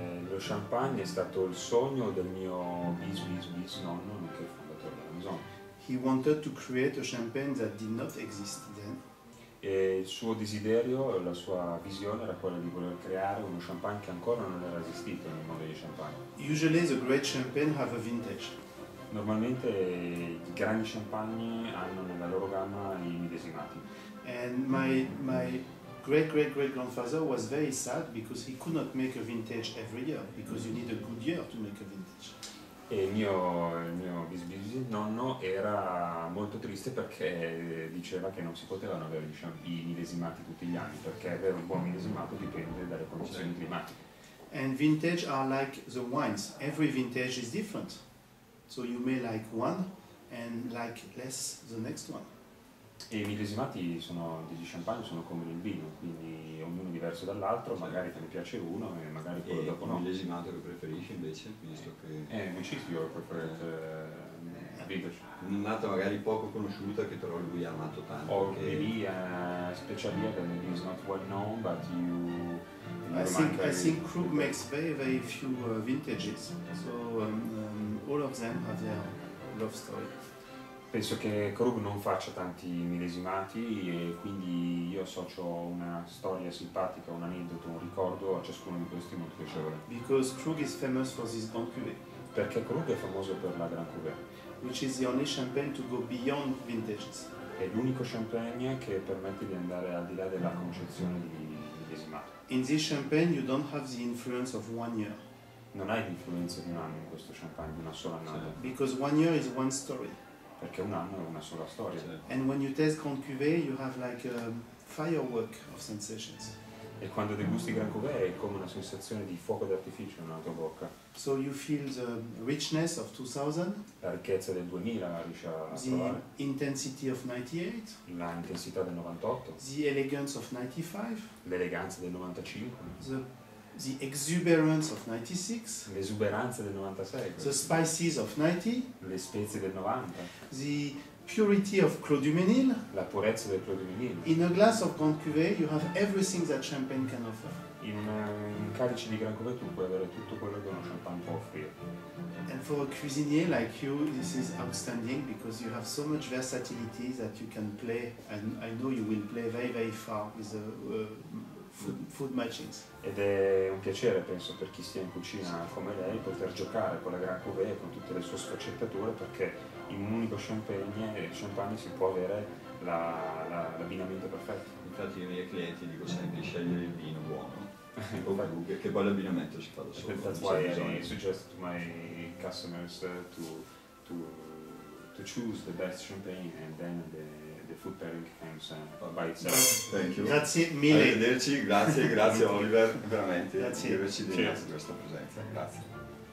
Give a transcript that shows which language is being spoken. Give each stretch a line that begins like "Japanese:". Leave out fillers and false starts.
Italian: Lo champagne è stato il sogno del mio bis nonno, nonché il fondatore della Maison.
English: He wanted to create a champagne that did not exist then.
Italian: E il suo desiderio, la sua visione era quella di voler creare uno champagne che ancora non era esistito nel mondo dei champagne.
English: Usually the great champagne have a vintage.
Italian: Normalmente i grandi champagne hanno nella loro gamma i millesimati.
English: And my great great great grandfather was very sad because he could not make a vintage every year because you need a good year to make a vintage.
Italian: E il mio bisbis nonno era molto triste perché diceva che non si potevano avere i millesimati tutti gli anni, perché avere un buon millesimato dipende dalle condizioni climatiche.
English: And vintage are like the wines. Every vintage is different. So you may like one and like less the next one.
Italian: E i millesimati di champagne sono come il vino, quindi ognuno è diverso dall'altro, magari te ne piace uno e magari quello e dopo no. E il millesimato che preferisci invece, visto che... Amicizio, preferite vintage. Un'annata magari poco conosciuta che però lui ha amato tanto. O che...
English: maybe a specialia that maybe is not well known, but you... I think Krug makes very very few vintages, so all of them have their love story.
Italian: Penso che Krug non faccia tanti millesimati e quindi io associo una storia simpatica, un aneddoto, un ricordo a ciascuno di questi molto piacevole.
English: Because Krug is famous for his Grand Cuvée.
Italian: Perché Krug è famoso per la Grand Cuvée.
English: Which is the only champagne to go beyond vintages.
Italian: È l'unico champagne che permette di andare al di là della concezione di millesimato.
English: In this champagne you don't have the influence of one year.
Italian: Non hai l'influenza di un anno in questo champagne, una sola annata.
English: Because one year is one story.
Italian: Perché un anno è una sola storia.
English: And when you taste Grand Cuvée, you have like a firework of sensations.
Italian: E quando degusti Grand Cuvée è come una sensazione di fuoco d'artificio nella tua bocca.
English: So you feel the richness of 2000.
Italian: La ricchezza del 2000 riesci a trovare.
English: The intensity of 98.
Italian: La intensità del 98.
English: The elegance of 95.
Italian: L'eleganza del 95.
English: The exuberance of 96.
Italian: L'esuberanza del 96.
English: The spices of 90.
Italian: Le spezie del 90.
English: The purity of Clos du Mesnil.
Italian: La purezza del Clos du Mesnil.
English: In a glass of Grand Cuvée you have everything that champagne can offer.
Italian: In un calice di Grand Cuvée tu puoi avere tutto quello che uno champagne può offrire.
English: And for a cuisinier like you this is outstanding because you have so much versatility that you can play, and I know you will play very very far with the food machines.
Italian: Ed è un piacere, penso, per chi sia in cucina come lei, poter giocare con la Grand Cuvée, con tutte le sue sfaccettature, perché in un unico champagne si può avere l'abbinamento perfetto. Infatti ai miei clienti dico sempre di scegliere il vino buono, che poi l'abbinamento si fa da solo.
English: That's why I suggest to my customers to choose the best champagne and then the food pairing comes by itself. Thank you.
Italian: Grazie mille. Arrivederci, grazie Oliver, veramente. Grazie di averci dato questa presenza. Grazie.